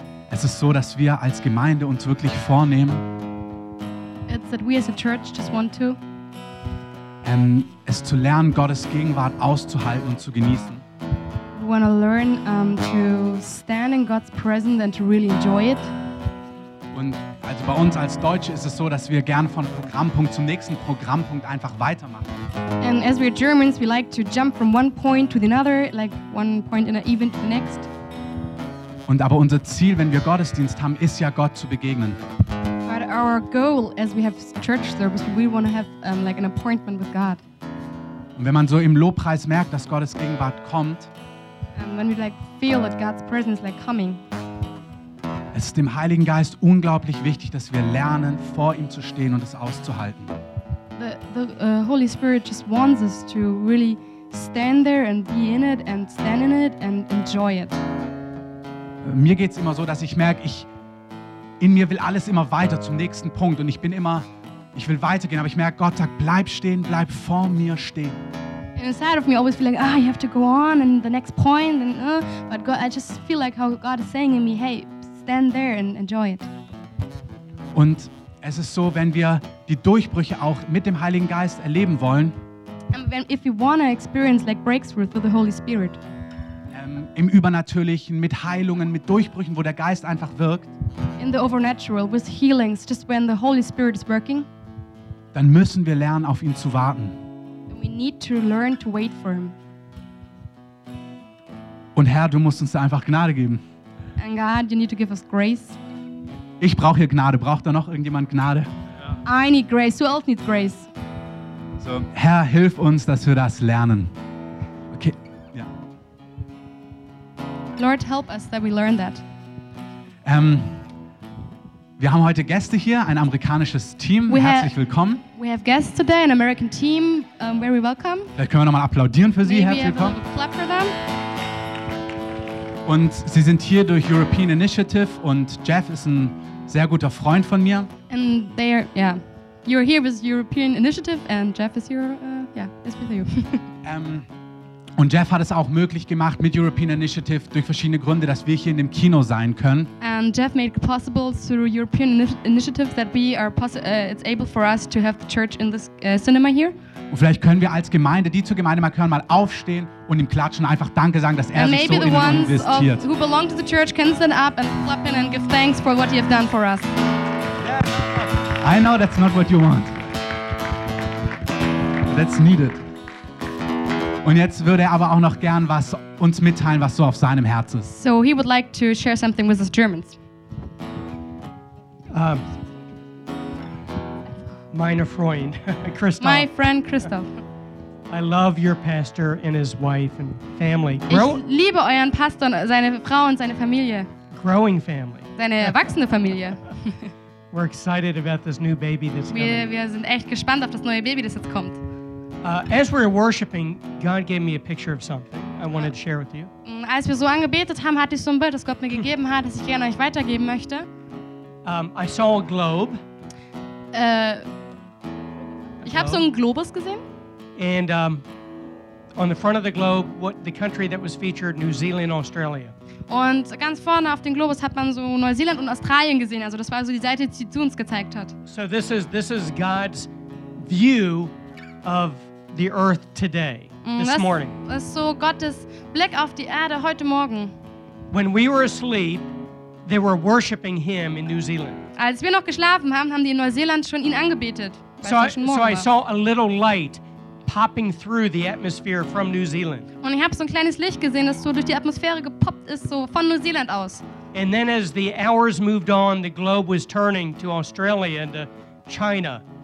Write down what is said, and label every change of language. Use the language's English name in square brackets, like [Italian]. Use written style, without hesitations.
[German] Es ist so, dass wir als Gemeinde uns wirklich vornehmen. [English] It's that we as a church just want to. [German] Es zu lernen, Gottes Gegenwart auszuhalten und zu genießen. [English] We want to learn to stand in God's presence and to really enjoy it. [German] Und also bei uns als Deutsche ist es so, dass wir gern von Programmpunkt zum nächsten Programmpunkt einfach weitermachen. [English] And as we're Germans, we like to jump from one point to the another, like one point in an event to the next. [German] Und aber unser Ziel, wenn wir Gottesdienst haben, ist ja Gott zu begegnen. [English] But our goal, as we have church service, we want to have like an appointment with God. [German] Und wenn man so im Lobpreis merkt, dass Gottes Gegenwart kommt, [English] when we like feel that God's presence like coming. [German] Es ist dem Heiligen Geist unglaublich wichtig, dass wir lernen, vor ihm zu stehen und es auszuhalten. [English] The Holy Spirit just wants us to really stand there and be in it and stand in it and enjoy it. [German] Mir geht's immer so, dass ich merke, in mir will alles immer weiter zum nächsten Punkt und ich will weitergehen, aber ich merke, Gott sagt, bleib stehen, bleib vor mir stehen. [English] Inside of me, I always feel like, you have to go on and the next point and but God, I just feel like how God is saying in me, hey, stand there and enjoy it. [German] Und es ist so, wenn wir die Durchbrüche auch mit dem Heiligen Geist erleben wollen. [English] If you want to experience like breakthrough through the Holy Spirit. [German] Im Übernatürlichen, mit Heilungen, mit Durchbrüchen, wo der Geist einfach wirkt. [English] In the overnatural, with healings, just when the Holy Spirit is working. [German] Dann müssen wir lernen, auf ihn zu warten. [English] And we need to learn to wait for him. [German] Und Herr, du musst uns da einfach Gnade geben. [English] And God, you need to give us grace. [German] Ich brauche hier Gnade. Braucht da noch irgendjemand Gnade? [English] Yeah. I need grace. Who else needs grace? [German] So, Herr, hilf uns, dass wir das lernen. Okay. Ja. [English] Lord, help us that we learn that. [German] Wir haben heute Gäste hier, ein amerikanisches Team. Herzlich willkommen. [English] We have guests today, an American team. Very welcome. [German] Vielleicht können wir nochmal applaudieren für sie. [English] Maybe [German] herzlich willkommen. [English] We have a clap for them. [German] Und sie sind hier durch European Initiative und Jeff ist ein sehr guter Freund von mir. [English] And they are, yeah. You're here with European Initiative and Jeff is here, is with you. [German] Und Jeff hat es auch möglich gemacht mit European Initiative durch verschiedene Gründe, dass wir hier in dem Kino sein können. [English] And Jeff made it possible through European Initiative that we are it's able for us to have the church in this cinema here. [German] Und vielleicht können wir als Gemeinde, die zur Gemeinde mal gehören, mal aufstehen und ihm klatschen, einfach Danke sagen, dass er [English] and [German] sich so in uns investiert. [English] Who belong to the church can stand up and clap in and give thanks for what you have done for us. Yeah. I know that's not what you want. That's needed. [German] Und jetzt würde er aber auch noch gern was uns mitteilen, was so auf seinem Herzen ist. [English] So he would like to share something with us Germans. [German] Meine Freund, Christoph. [English] My friend Christoph. I love your pastor and his wife and family. [German] Ich liebe euren Pastor, seine Frau und seine Familie. [English] Growing family. [German] Seine erwachsene Familie. [English] We're excited about this new baby that's coming. [German] Wir sind echt gespannt auf das neue Baby, das jetzt kommt. [English] As we were worshiping, God gave me a picture of something I wanted to share with you. [German] Als wir so angebetet haben, hatte ich so ein Bild, das Gott mir gegeben hat, das ich gerne euch weitergeben möchte. [English] I saw a globe. [German] Ich habe so einen Globus gesehen. [English] And on the front of the globe, what the country that was featured, New Zealand, Australia. [German] Und ganz vorne auf dem Globus hat man so Neuseeland und Australien gesehen. Also das war so die Seite, die zu uns gezeigt hat. [English] So this is God's view of the earth today, this morning. [German] Das ist so Gottes Blick auf die Erde heute Morgen. [English] When we were asleep, they were worshiping him in New Zealand. [German] Als wir noch geschlafen haben, haben die in Neuseeland schon ihn angebetet. [English] So I saw a little light popping through the atmosphere from New Zealand. [German] Und ich habe so ein kleines Licht gesehen, das so durch die Atmosphäre gepoppt ist, so von New Zealand aus. [English] And then as the hours moved on, the globe was turning to Australia and to China.